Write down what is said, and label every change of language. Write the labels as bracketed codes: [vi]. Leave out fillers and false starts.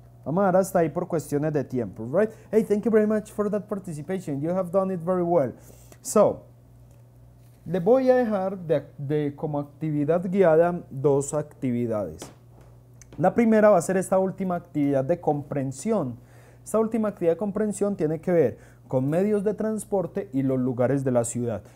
[es] Vamos a dar hasta ahí por cuestiones de tiempo, right? [en] Hey, thank you very much for that participation. You have done it very well. [es] So, le voy a dejar de como actividad guiada dos actividades. La primera va a ser esta última actividad de comprensión. Esta última actividad de comprensión tiene que ver con medios de transporte y los lugares de la ciudad.